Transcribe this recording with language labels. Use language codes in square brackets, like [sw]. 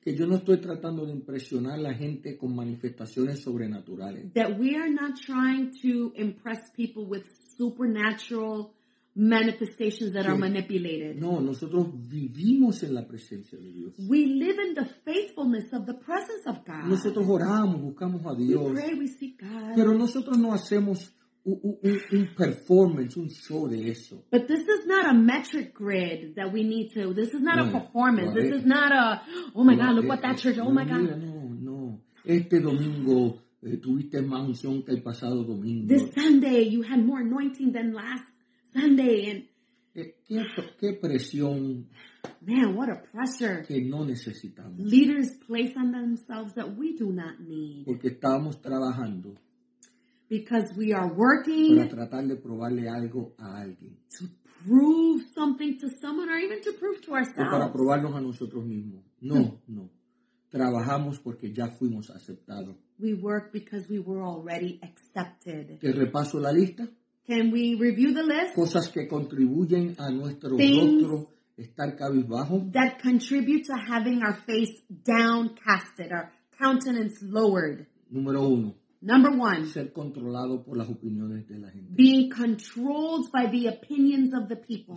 [es] Que yo no estoy tratando de impresionar la gente con manifestaciones sobrenaturales. [en] That we are not trying to impress people with supernatural manifestations that are manipulated. [es] No, nosotros vivimos en la presencia de Dios. [en] We live in the faithfulness of the presence of God. [es] Nosotros oramos, buscamos a Dios. [en] We pray, we seek God. [es] Pero nosotros no hacemos un performance, un show de eso. [en] But this is not a metric grid that we need to. This is not a performance. This is not a, oh my God, look what that church, oh my God. [es] No. Este domingo tuviste más unción que el pasado domingo. [en] This Sunday you had more anointing than last Sunday. And [es] qué presión. [en] Man, what a pressure. [es] Que no necesitamos. [en] Leaders place on themselves that we do not need. [es] Porque estamos trabajando. [en] Because we are working [es] para tratar de probarle algo a alguien. [en] To prove something to someone or even to prove to ourselves. [es] O para probarnos a nosotros mismos. No. Trabajamos porque ya fuimos aceptados. [en] We work because we were already accepted. [es] ¿Te repaso la lista? [en] Can we review the list? [es] Cosas que contribuyen a nuestro rostro estar cabizbajo. [en] That contribute to having our face downcasted, our countenance lowered. [es] Número uno. [en] Number one. [es] Ser controlado por las opiniones de la gente. [en] Being controlled by the opiniones of the people.